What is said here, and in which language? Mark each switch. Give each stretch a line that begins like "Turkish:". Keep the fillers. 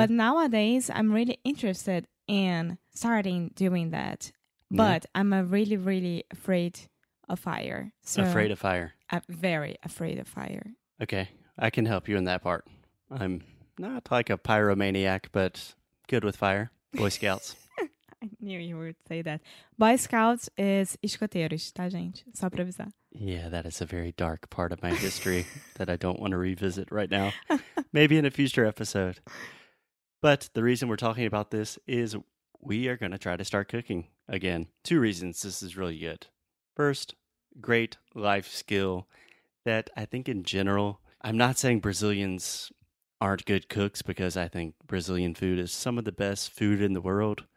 English: But nowadays I'm really interested in starting doing that. Yeah. But I'm a really, really afraid of fire. So afraid of fire. I'm very afraid of fire. Okay. I can help you in that part. I'm not like a pyromaniac, but good with fire. Boy Scouts. I knew you would say that.
Portuguese: Boy Scouts is escoteiros, tá, gente? Só pra avisar.
English: Yeah, that is a very dark part of my history that I don't want to revisit right now. Maybe in a future episode. But the reason we're talking about this is we are going to try to start cooking again. Two reasons this is really good. First, great life skill that I think in general, I'm not saying Brazilians aren't good cooks because I think Brazilian food is some of the best food in the world.